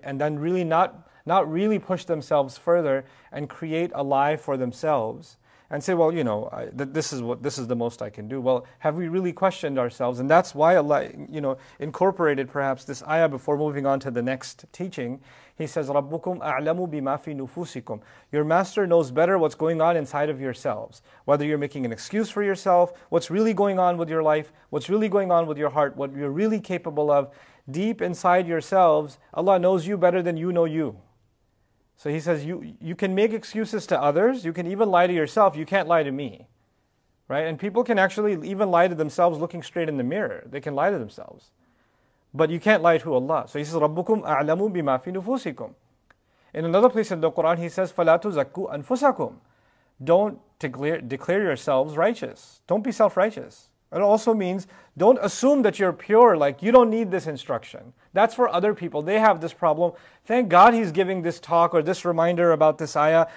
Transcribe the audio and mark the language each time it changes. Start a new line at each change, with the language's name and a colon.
English: And then really not really push themselves further and create a lie for themselves and say, well, you know, this is the most I can do. Well, have we really questioned ourselves? And that's why Allah, you know, incorporated perhaps this ayah before moving on to the next teaching. He says,
Arabic: رَبُّكُمْ أَعْلَمُ بِمَا فِي نُفُوسِكُمْ.
English: Your master knows better what's going on inside of yourselves. Whether you're making an excuse for yourself, what's really going on with your life, what's really going on with your heart, what you're really capable of. Deep inside yourselves, Allah knows you better than you know you. So he says, you can make excuses to others, you can even lie to yourself, you can't lie to me. Right? And people can actually even lie to themselves looking straight in the mirror. They can lie to themselves. But you can't lie to Allah. So he says,
Arabic: رَبُّكُمْ أَعْلَمُ بِمَا فِي نُفُوسِكُمْ.
English: In another place in the Quran, he says,
Arabic: فَلَا تُزَكُّ أَنفُسَكُمْ.
English: Don't declare yourselves righteous. Don't be self-righteous. It also means, don't assume that you're pure, like you don't need this instruction. That's for other people. They have this problem. Thank God he's giving this talk or this reminder about this ayah.